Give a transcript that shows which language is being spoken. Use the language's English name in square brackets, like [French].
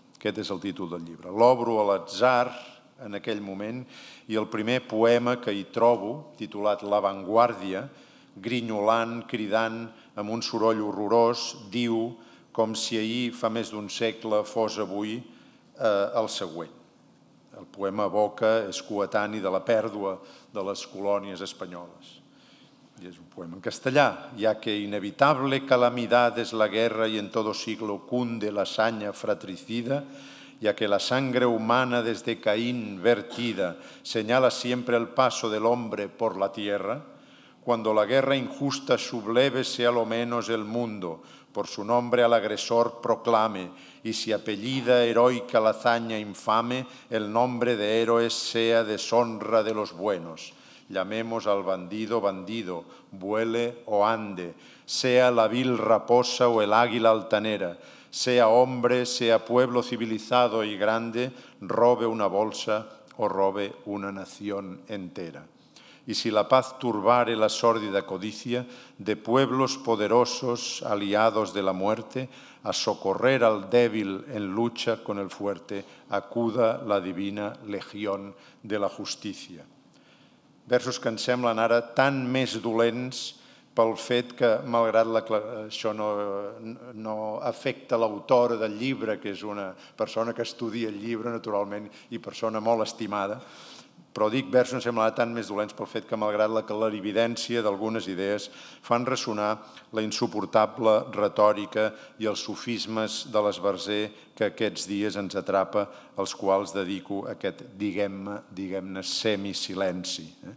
[Catalan] Aquest és el títol del llibre. L'obro a l'atzar en aquell moment i el primer poema que hi trobo, titulat L'avantguàrdia, grinyolant, cridant, amb un soroll horrorós, diu, com si ahir fa més d'un segle fos avui, el següent. El poema evoca, és coetani de la pèrdua de les colònies espanyoles. I és un poema en castellà, [Spanish] ja que inevitable calamidad es la guerra y en todo siglo cunde la saña fratricida, ya que la sangre humana desde Caín vertida señala siempre el paso del hombre por la tierra, cuando la guerra injusta subleve sea lo menos el mundo, por su nombre al agresor proclame, y si apellida heroica la hazaña infame, el nombre de héroes sea deshonra de los buenos. Llamemos al bandido bandido, vuele o ande, sea la vil raposa o el águila altanera, sea hombre, sea pueblo civilizado y grande, robe una bolsa o robe una nación entera. Y si la paz turbare la sórdida codicia de pueblos poderosos aliados de la muerte, a socorrer al débil en lucha con el fuerte, acuda la divina legión de la justicia. [Catalan] Versos que ens semblen ara tan més dolents pel fet que, malgrat això no afecta l'autora del llibre, que és una persona que estudia el llibre, naturalment, i persona molt estimada, però dic versos que ens semblen tan més dolents pel fet que, malgrat la clarividència d'algunes idees, fan ressonar la insuportable retòrica i els sofismes de l'esbarzer que aquests dies ens atrapa, als quals dedico aquest, diguem-ne, semisilenci.